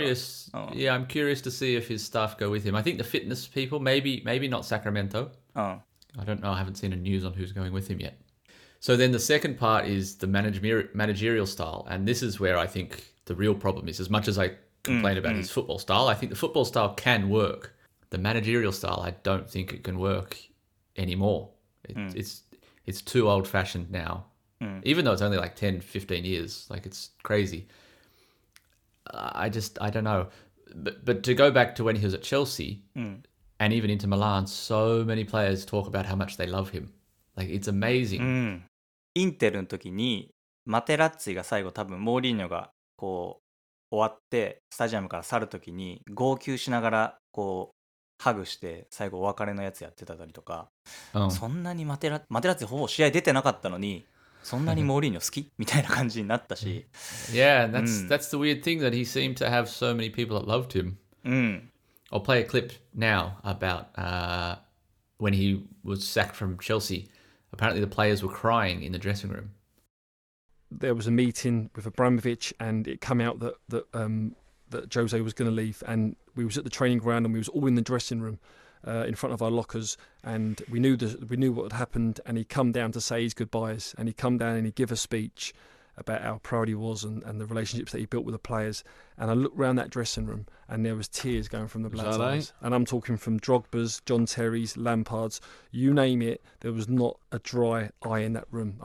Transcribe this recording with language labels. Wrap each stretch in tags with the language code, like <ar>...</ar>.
<en>I'm curious. Yeah, I'm curious to see if his staff go with him. I think the fitness people, maybe not Sacramento. I don't know. I haven't seen a news on who's going with him yet. So then the second part is the managerial style. And this is where I think the real problem is. As much as I... complain about his football style. I think the football style can work. The managerial style, I don't think it can work anymore. It's too old-fashioned now. Even though it's only like 10, 15 years. Like, it's crazy. I don't know. But to go back to when he was at Chelsea, and even into Milan, so many players talk about how much they love him. Like, it's amazing.</en> <ja>Inter の時に、マテラッツィが最後多分モーリーニョがこう、終わってスタジアムから去るときに号泣しながらこうハグして最後お別れのやつやってたりとか、そんなにマテラッツほぼ試合出てなかったのにそんなにモーリーニョ好きみたいな感じになったし、</ja> <en>Yeah, that's the weird thing that he seemed to have so many people that loved him. I'll play a clip now about when he was sacked from Chelsea. Apparently, the players were crying in the dressing room. There was a meeting with Abramovich and it came out that Jose was going to leave and we was at the training ground and we was all in the dressing room in front of our lockers and we knew what had happened and he come down to say his goodbyes and he come down and he give a speech about how proud he was and the relationships that he built with the players and I looked round that dressing room and there was tears going from the lads' eyes and I'm talking from Drogba's, John Terry's, Lampard's, you name it, there was not a dry eye in that room.</en>